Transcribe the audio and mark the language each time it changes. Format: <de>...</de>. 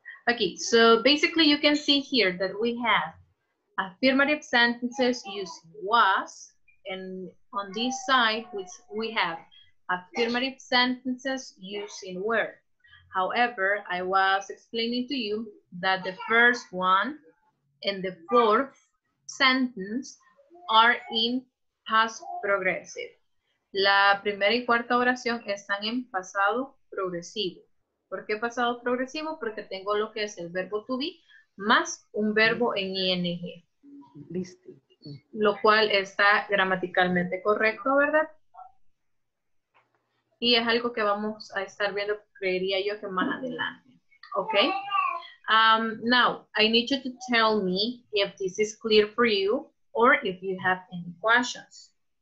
<en>Okay, so basically you can see here that we have affirmative sentences using was, and on this side which we have affirmative sentences using were. However, I was explaining to you that the first one and the fourth sentence are in past progressive.</en> <es>La primera y cuarta oración están en pasado progresivo. ¿Por qué pasado progresivo? Porque tengo lo que es el verbo to be más un verbo en ing. Listo. Lo cual está gramaticalmente correcto, ¿verdad? Y es algo que vamos a estar viendo, creería yo, que más adelante.</es> <en>Ok. Now, I need you to tell me if this is clear for you or if you have any questions.</en>